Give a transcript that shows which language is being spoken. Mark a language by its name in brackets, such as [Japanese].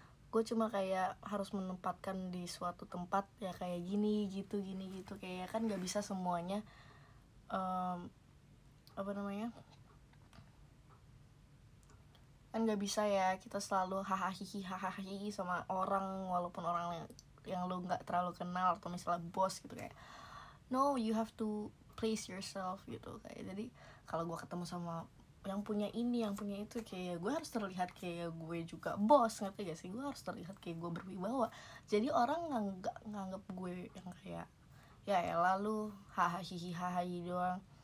[Indonesian] Gue cuma kayak harus menempatkan di suatu tempat ya kayak gini gitu kayak kan enggak bisa semuanya apa namanya? Kan enggak bisa ya kita selalu hahaha sama orang walaupun orang yang lu enggak terlalu kenal atau misalnya bos gitu kayak. [English] No, you have to place yourself [Indonesian] gitu kayak. Jadi kalau gue ketemu sama yang punya ini, yang punya itu, kayak gue harus terlihat kayak gue juga bos, ngerti gak sih? Gue harus terlihat kayak gue berwibawa. Jadi orang nganggap gue yang kayak ya elah lu hahaha doang.